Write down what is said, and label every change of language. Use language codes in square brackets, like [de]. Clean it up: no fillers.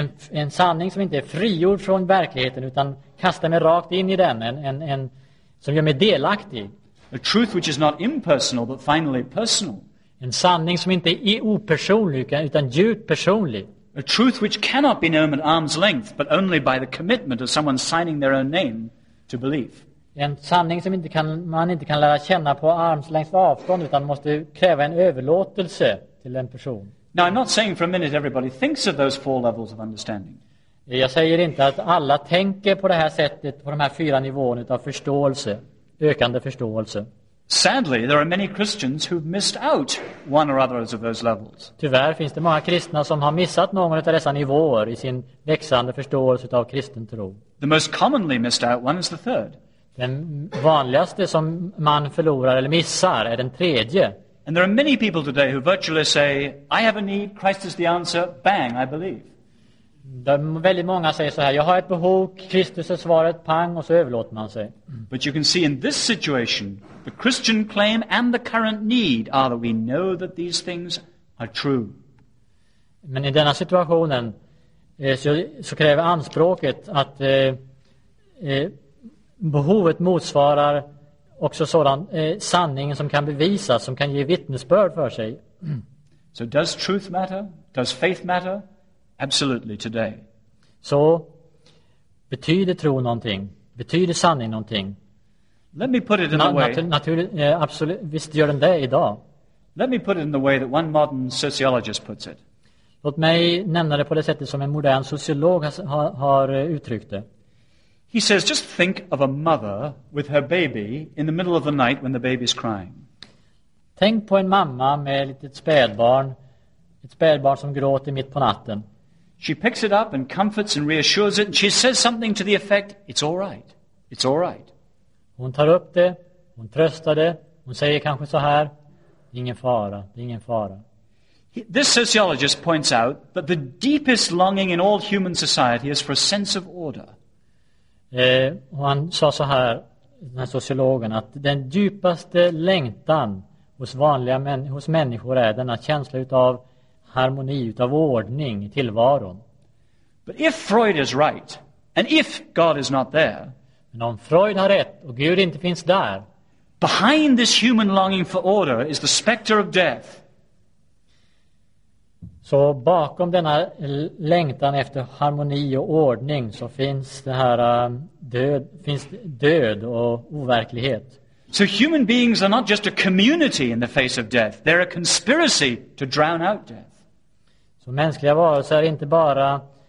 [sv] En sanning som inte är frigjord från verkligheten utan kastar mig rakt in i den, en som gör mig delaktig. [en] A truth which is not impersonal, but finally personal. [sv] En sanning som inte är opersonlig utan djupt personlig. [en] A truth which cannot be known at arm's length, but only by the commitment of someone signing their own name to belief. [sv] En sanning som man inte kan lära känna på arms längst avstånd utan måste kräva en överlåtelse till en person. [en] Now I'm not saying for a minute everybody thinks of those four levels of understanding. [sv] Jag säger inte att alla tänker på det här sättet, på de här fyra nivåerna av förståelse, ökande förståelse. [en] Sadly, there are many Christians who've missed out one or other of those levels. [sv] Tyvärr finns det många kristna som har missat någon av dessa nivåer i sin växande förståelse av kristen tro. [en] The most commonly missed out one is the third. [sv] Den vanligaste som man förlorar eller missar är den tredje. [en] And there are many people today who virtually say, I have a need, Christ is the answer, bang, I believe. [sv] Det är väldigt många säger så här, jag har ett behov, Kristus är svaret, pang, och så överlåter man sig. [en] But you can see in this situation, the Christian claim and the current need are that we know that these things are true. [sv] Men i denna situationen så kräver anspråket att behovet motsvarar också sådan sanningen som kan bevisas, som kan ge vittnesbörd för sig. [en] So does truth matter? Does faith matter? Absolutely today. [sv] Så betyder tro någonting? Betyder sanning någonting? [en] Let me put it in the way. [sv] Absolut, visst gör den det idag. [en] Let me put it in the way that one modern sociologist puts it. [sv] Låt mig nämna det på det sättet som en modern sociolog har uttryckt det. [en] He says, just think of a mother with her baby in the middle of the night when the baby's crying. [sv] Tänk på en mamma med ett spädbarn som gråter mitt på natten. [en] She picks it up and comforts and reassures it, and she says something to the effect, "It's all right. It's all right." [sv] Hon tar upp det, hon tröstar det, hon säger kanske så här, ingen fara, det är ingen fara. [en] This sociologist points out that the deepest longing in all human society is for a sense of order. [sv] Han sa så här, den här sociologen, att den djupaste längtan hos vanliga hos människor är denna känsla utav harmoni, utav ordning i tillvaron. [en] But if Freud is right, and if God is not there, [sv] men om Freud har rätt och Gud inte finns där, [en] behind this human longing for order is the specter of death. [sv] Så bakom denna längtan efter harmoni och ordning så finns det här död och overklighet. [en] So human beings are not just a community in the face of death, they're a conspiracy to drown out death. [sv] Så mänskliga varelser är inte bara